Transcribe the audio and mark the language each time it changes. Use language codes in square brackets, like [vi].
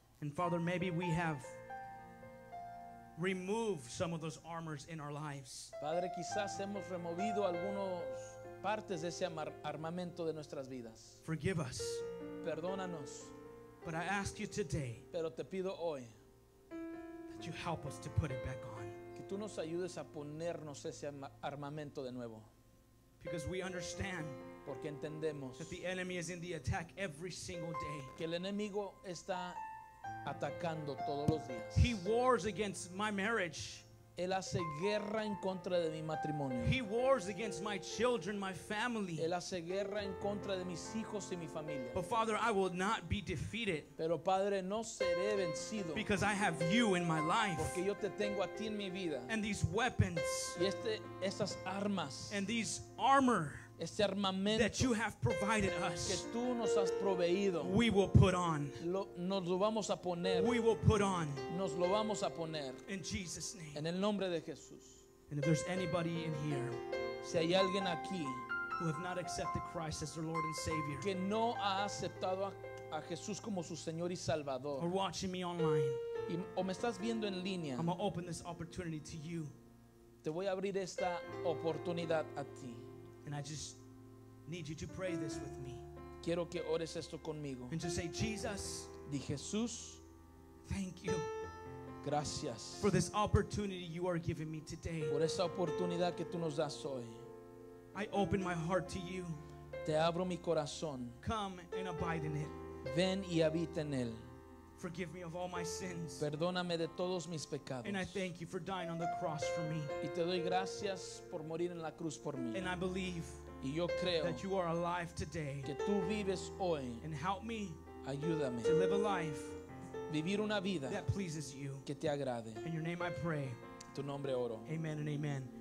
[en] And Father, maybe we have removed some of those armors in our lives. [es] Padre, quizás hemos removido algunas partes de ese armamento de nuestras vidas. [en] Forgive us. [es] Perdónanos. [en] But I ask you today, [es] pero te pido hoy, [en] that you help us to put it back on. [es] Que tú nos ayudes a ponernos ese armamento de nuevo. [en] Because we understand, [es] porque entendemos, [en] that the enemy is in the attack every single day. [es] Que el enemigo está atacando todos los días. [en] He wars against my marriage. [es] Él hace guerra en contra de mi matrimonio. [en] He wars against my children, my family. [es] Él hace guerra en contra de mis hijos y mi familia. [en] But Father, I will not be defeated. [es] Pero Padre, no seré vencido. [en] Because I have you in my life. [es] Porque yo te tengo a ti en mi vida. [en] And these weapons. [es] Y estas armas. [en] And these armor. [es] Este armamento [en] that you have provided us, [es] que tú nos has proveído, [en] we will put on. [es] Nos lo vamos a poner. [en] We will put on. [es] Nos lo vamos a poner. [en] In Jesus' name. [es] En el nombre de Jesús. [en] And if there's anybody in here, [es] si hay alguien aquí, [en] who have not accepted Christ as their Lord and Savior, [es] que no ha aceptado a Jesús como su Señor y Salvador, [en] or watching me online, [es] o me estás viendo en línea, [en] I'm gonna open this opportunity to you. [es] Te voy a abrir esta oportunidad a ti. [en] And I just need you to pray this with me. [es] Quiero que ores esto conmigo. [en] And just say, Jesus, [es] di Jesús, [en] thank you, [es] gracias, [en] for this opportunity you are giving me today. [es] Por esa oportunidad que tú nos das hoy. [en] I open my heart to you. [es] Te abro mi corazón. [en] Come and abide in it. [es] Ven y habita en él. [en] Forgive me of all my sins. [es] Perdóname de todos mis pecados. [en] And I thank you for dying on the cross for me. [es] Y te doy gracias por morir en la cruz por mí. [en] And I believe, [es] y yo creo, [en] that you are alive today. [es] Que tú vives hoy. [en] And help me, [es] ayúdame, [en] to live a life, [es] vivir una vida, [en] that pleases you, [es] que te agrade. [en] In your name I pray. [es] Tu nombre oro. [en] Amen and amen.